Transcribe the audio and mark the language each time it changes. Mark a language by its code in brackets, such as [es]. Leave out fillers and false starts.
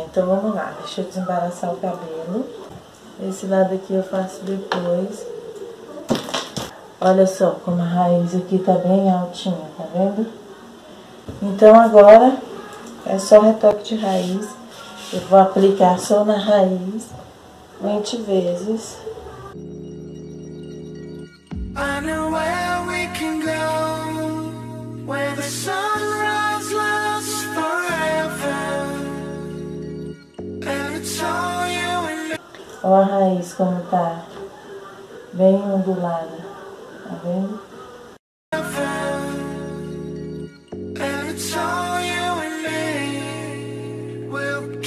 [pt] Então vamos lá, deixa eu desembaraçar o cabelo. Esse lado aqui eu faço depois. Olha só como a raiz aqui tá bem altinha, tá vendo? Então agora é só retoque de raiz. Eu vou aplicar só na raiz 20 vezes. [en] I know where we can go, where the sunrise lasts forever, and it's all you and me. [pt] Olha a raiz como tá bem ondulada, tá vendo? [en] And it's all you and me. We'll